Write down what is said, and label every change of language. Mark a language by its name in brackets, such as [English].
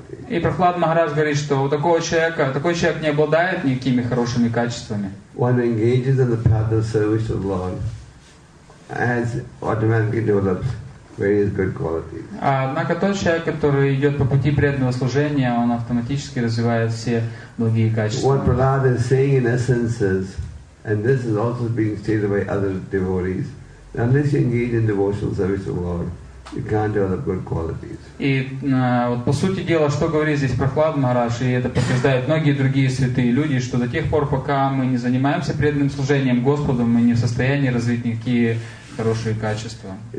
[Russian] И Прохлад Махарадж говорит, что у такого человека, такой человек не обладает никакими хорошими качествами. [English] One engages in the path of service to the Lord has automatically developed various good qualities. [Russian] Однако тот человек, который идет по пути преданного служения, он автоматически развивает все благие качества. [English] What Prahlad is saying in essence is, and this is also being stated by other devotees, unless you engage in devotional service to the Lord, you can't develop good qualities. [Russian] И вот по сути дела, что говорит здесь Прохлад Махарадж, и это подтверждают многие другие святые люди, что до тех пор, пока мы не занимаемся преданным служением Господу, мы не в состоянии развить никакие хорошие качества.